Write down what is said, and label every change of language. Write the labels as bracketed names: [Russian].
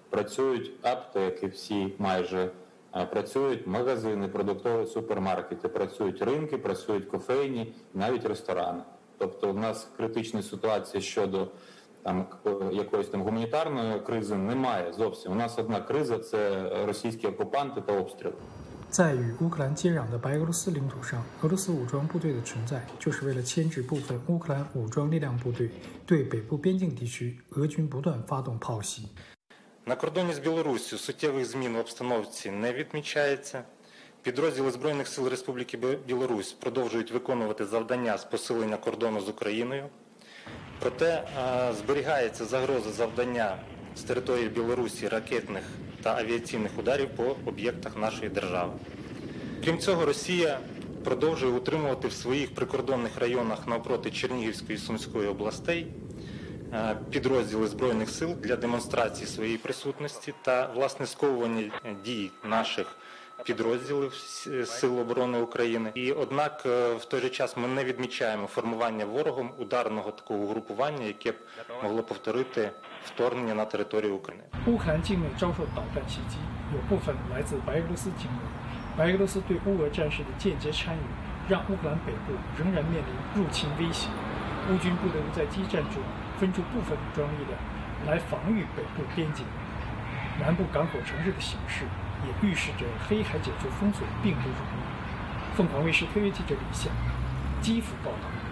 [Ukrainian] Працюють аптеки, всі майже працюють, магазини, продуктові супермаркети, працюють ринки, працюють кофейні, навіть ресторани. Тобто в нас критична ситуація щодо там якоїсь там гуманітарної кризи немає зовсім. У нас одна криза – це російські окупанти та обстріли. [Chinese] 在与乌克兰接壤的白俄罗斯领土上，俄罗斯武装部队的存在就是为了牵制部分乌克兰武装力量部队对北部边境地区俄军不断发动炮袭。 [Ukrainian] На кордоні з Білоруссю суттєвих змін в обстановці не відмічається. Підрозділи Збройних сил Республіки Білорусь продовжують виконувати завдання з посилення кордону з Україною. Проте зберігається загроза завдання з території Білорусі ракетних та авіаційних ударів по об'єктах нашої держави. Крім цього, Росія продовжує утримувати в своїх прикордонних районах навпроти Чернігівської і Сумської областей підрозділи Збройних сил для демонстрації своєї присутності та власне сковування дій наших підрозділів Сил оборони України. І однак в той же час ми не відмічаємо формування ворогом ударного такого угрупування, яке б могло повторити вторгнення на територію України. [Chinese] Україна境内遭受导弹袭击，有部分来自白俄罗斯境内。白俄罗斯对乌俄战事的间接参与，让乌克兰北部仍然面临入侵威胁。乌军不得不在激战中分出部分武装力量来防御北部边境。南部港口城市的形势也预示着黑海解除封锁并不容易。凤凰卫视特约记者李夏，基辅报道。